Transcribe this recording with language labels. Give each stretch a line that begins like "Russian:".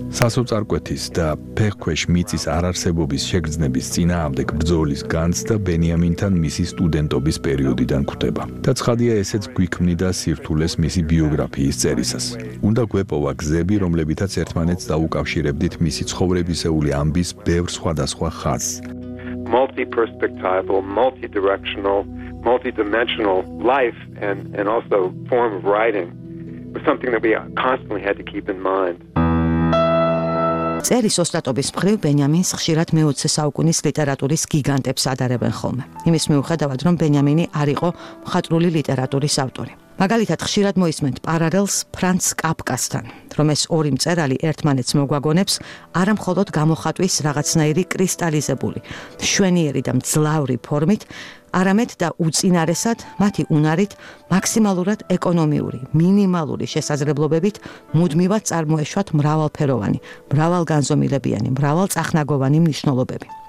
Georgian: სასოწარკვეთის და ფეხქვეშ მიწის არარსებობის შეგრძნების წინააღმდეგ ბრძოლის განცდა ბენიამინთან მისი სტუდენტობის პერიოდიდან გვხვდება. და ცხადია, ესეც გვიქმნიდა სირთულეს მისი ბიოგრაფიის წერისას. უნდა გვეპოვა გზები, რომლებითაც ერთმანეთს დაუკავშირებდით მისი ცხოვრებისეული ამბის ბევრ სხვადასხვა ხაზს.
English: Multi-perspectival, multi-directional, multi-dimensional life and also form of writing was something that we constantly had to keep in mind.
Georgian: წერის ოსტატობის მხრივ ბენიამინს ხშირად მეოცე საუკუნის ლიტერატურის გიგანტებს ადარებენ ხოლმე. იმის მიუხედავად, რომ ბენიამინი არ იყო მხატვრული ლიტერატურის ავტორი. მაგალითად, ხშირად მოისმენთ პარალელს ფრანც კაფკასთან, რომ ეს ორი მწერალი ერთმანეთს მოგვაგონებს არამხოლოდ გამოხატვის რაღაცნაირი კრისტალიზებული, შვენიერი და მძლავრი ფორმით, არამედ და უწინარესად მათი უნარით მაქსიმალურად ეკონომიური, მინიმალური შესაძლებლობებით მუდმივად წარმოეშვათ მრავალფეროვანი, მრავალგანზომილებიანი, მრავალწახნაგოვანი მნიშვნელობები.